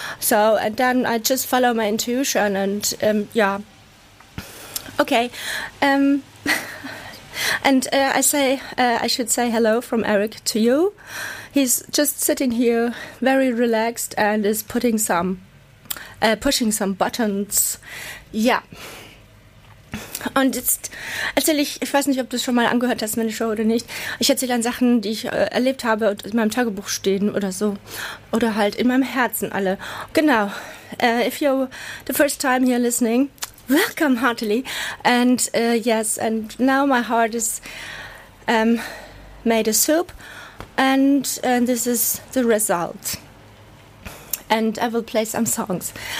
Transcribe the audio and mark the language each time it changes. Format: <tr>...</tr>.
<en>So, and then I just follow my intuition and, yeah. Okay. I should say hello from Eric to you. He's just sitting here, very relaxed, and is putting some... pushing some buttons. Ja.</en> <de>Und jetzt erzähle ich, ich weiß nicht, ob du es schon mal angehört hast, meine Show oder nicht. Ich erzähle dann Sachen, die ich erlebt habe und in meinem Tagebuch stehen oder so. Oder halt in meinem Herzen alle. Genau.</de> <en>If you're the first time here listening, welcome heartily. And yes, and now my heart is made a soup. And this is the result. And I will play some songs.</en>